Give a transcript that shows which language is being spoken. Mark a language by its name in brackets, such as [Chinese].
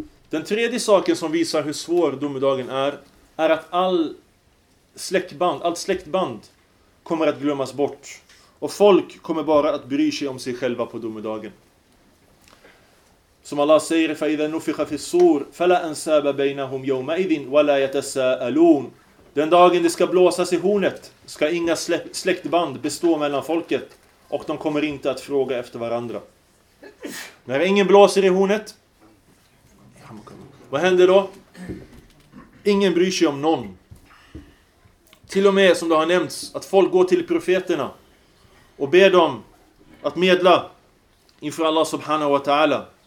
[Swedish] Den tredje saken som visar hur svår domedagen är att allt släktband kommer att glömmas bort. Och folk kommer bara att bry sig om sig själva på domedagen. Som Allah säger, [Arabic] فَإِذَا نُفِخَ فِي السُّور فَلَا أَنْسَابَ بَيْنَهُمْ يَوْمَئِذٍ وَلَا يَتَسَأَلُونَ. [Swedish] Den dagen det ska blåsas i hornet ska inga släktband bestå mellan folket, och de kommer inte att fråga efter varandra. När ingen blåser i hornet, vad händer då? Ingen bryr sig om någon. Till och med, som det har nämnts, att folk går till profeterna och ber dem att medla inför Allah subhanahu wa ta'ala.